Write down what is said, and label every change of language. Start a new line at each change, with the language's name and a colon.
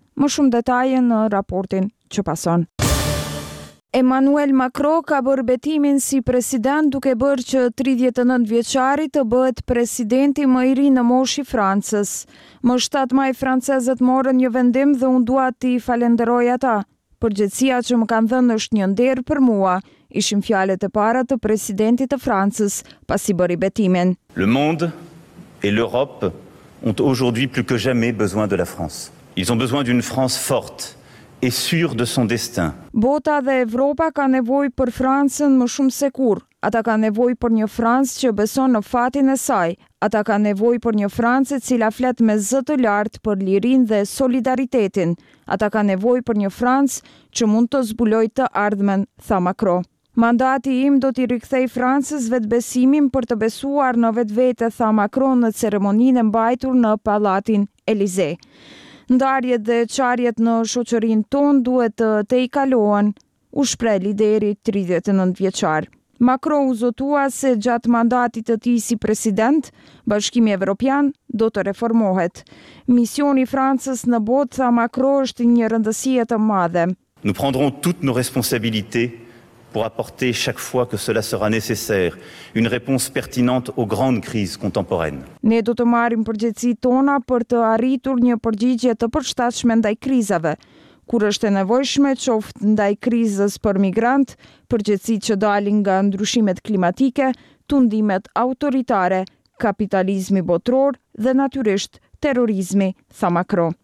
Albanian: Më shumë detaje në raportin që pason. Emmanuel Macron ka bërë betimin si president duke bërë që 39-vjeçari të bëhet presidenti më i ri në moshë i Francës. Më 7 maj francezët morën një vendim dhe unë dua t'i falenderoj ata. Përgjegjësia që më kanë dhënë është një nder për mua, ishin fjalet e para të presidentit të Francës pasi bëri betimin.
French: Le monde et l'Europe ont aujourd'hui plus que jamais besoin de la France. Ils ont besoin d'une France forte. Et sûr de son destin.
Albanian: Bota dhe Evropa ka nevojë për Francën më shumë se kur. Ata ka nevojë për një Francë që beson në fatin e saj. Ata ka nevojë për një Francë e cila flet me zë të lartë për lirinë dhe solidaritetin. Ata ka nevojë për një Francë që mund të zbulojë të ardhmen, tha Macron. Mandati im do t'i rikthej Francës vetbesimin për të besuar në vetvete, tha Macron në ceremoninë mbajtur në Palatin Elysee. Ndarjet dhe qarjet në shoqërin ton duhet të i kalohen, u shpreh lideri 39-vjeçar. Macron u zotua se gjatë mandatit të tij si president, Bashkimi Evropian do të reformohet. Misioni Francës në botë, tha Macron, është një rëndësie të madhe.
French: Nous prendrons toutes nos responsabilités pour apporter chaque fois que cela sera nécessaire une réponse pertinente aux grandes crises contemporaines.
Albanian: Ne do të marrim përgjegjësitë tona për të arritur një përgjigje të përshtatshme ndaj krizave. Kur është e nevojshme, qoftë ndaj krizës për migrant, përgjegjësitë që dalin nga ndryshimet klimatike, tundimet autoritare, kapitalizmi botror dhe natyrisht terrorizmi, tha Macron.